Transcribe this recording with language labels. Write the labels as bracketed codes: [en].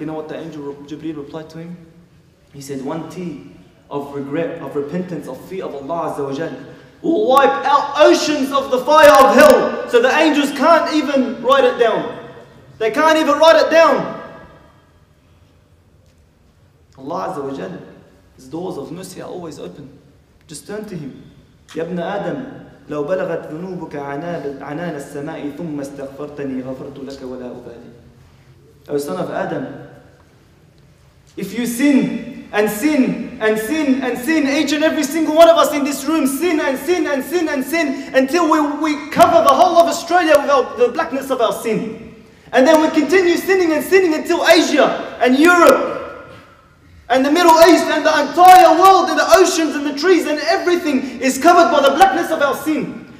[en] You know what the angel Jibreel replied to him? He said, one tear of regret, of repentance, of fear of Allah Azza wa Jal will wipe out oceans of the fire of hell. So the angels can't even write it down. They can't even write it down. Allah Azza wa Jal, His doors of mercy are always open. Just turn to Him. [ar] Ya Ibn Adam, لو بلغت ذنوبك عنان السماء ثم استغفرتني غفرت لك ولا أبالي. [en] O son of Adam, if you sin and sin and sin and sin, each and every single one of us in this room sin and sin and sin and sin until we cover the whole of Australia with the blackness of our sin. And then we continue sinning and sinning until Asia and Europe and the Middle East and the entire world and the oceans and the trees and everything is covered by the blackness of our sin.